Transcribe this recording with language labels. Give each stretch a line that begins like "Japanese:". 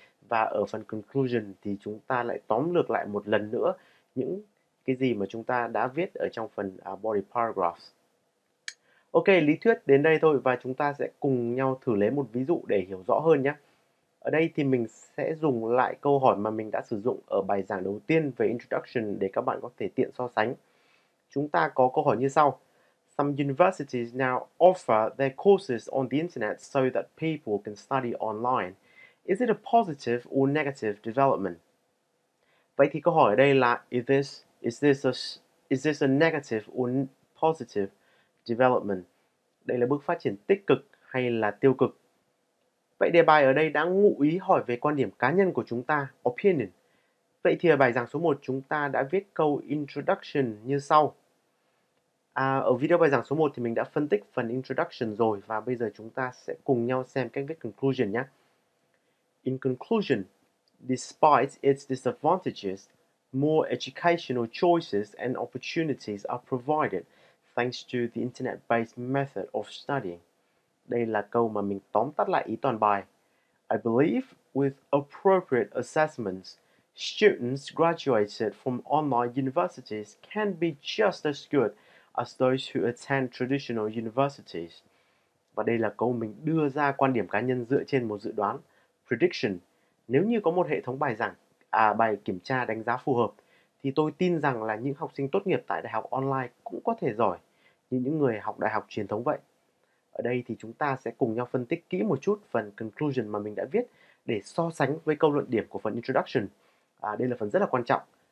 Vietnamese: Và ở phần conclusion thì chúng ta lại tóm lược lại một lần nữa những cái gì mà chúng ta đã viết ở trong phần body paragraphs. Ok, lý thuyết đến đây thôi và chúng ta sẽ cùng nhau thử lấy một ví dụ để hiểu rõ hơn nhé. Ở đây thì mình sẽ dùng lại câu hỏi mà mình đã sử dụng ở bài giảng đầu tiên về introduction để các bạn có thể tiện so sánh. Chúng ta có câu hỏi như sau.
English: Some universities now offer their courses on the internet so that people can study online. Is it a positive or negative development?
Vietnamese: Vậy thì câu hỏi ở đây là
English: is this a negative or positive development?
Vietnamese: Đây là bước phát triển tích cực hay là tiêu cực? Vậy đề bài ở đây đã ngụ ý hỏi về quan điểm cá nhân của chúng ta, opinion. Vậy thì ở bài giảng số 1 chúng ta đã viết câu introduction như sau. Ở video bài giảng số 1 thì mình đã phân tích phần introduction rồi và bây giờ chúng ta sẽ cùng nhau xem cách viết conclusion nhé.
English: In conclusion, despite its disadvantages, more educational choices and opportunities are provided thanks to the internet-based method of studying.
Vietnamese: Đây là câu mà mình tóm tắt lại ý toàn bài.
English: I believe with appropriate assessments, students graduated from online universities can be just as good as those who attend traditional universities.
Vietnamese: Và đây là câu mình đưa ra quan điểm cá nhân dựa trên một dự đoán, prediction. Nếu như có một hệ thống bài giảng, bài kiểm tra đánh giá phù hợp, thì tôi tin rằng là những học sinh tốt nghiệp tại đại học online cũng có thể giỏi như những người học đại học truyền thống vậy. Ở đây thì chúng ta sẽ cùng nhau phân tích kỹ một chút phần conclusion mà mình đã viết để so sánh với câu luận điểm của phần introduction. Đây là phần rất là quan trọng.